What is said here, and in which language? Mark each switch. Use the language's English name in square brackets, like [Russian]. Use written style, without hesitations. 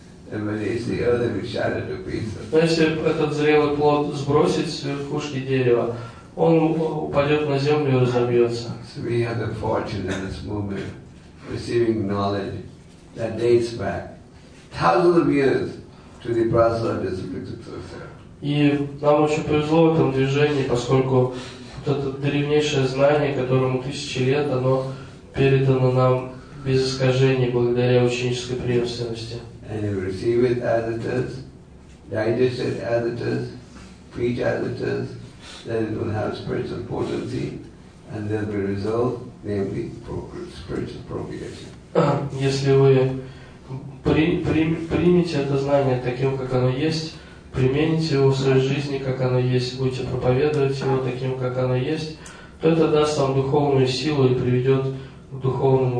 [Russian] Но если этот зрелый плод сбросить с верхушки дерева, он упадет на землю и разобьется. [English] So we have the fortune in this movement receiving knowledge that dates back thousands of years to the Brazilian discipline of [Russian] И нам очень повезло в этом движении, поскольку вот это древнейшее знание, которому тысячи лет, оно передано нам без искажений благодаря ученической преемственности. [English] And you receive it as it is, digest it as it is, preach as it is, then it will have spiritual potency, and there will be result, namely spiritual propagation. [Russian] Если вы примете это знание таким, как оно есть, примените его в своей жизни, как оно есть, будете проповедовать его таким, как оно есть, то это даст вам духовную силу и приведет к духовному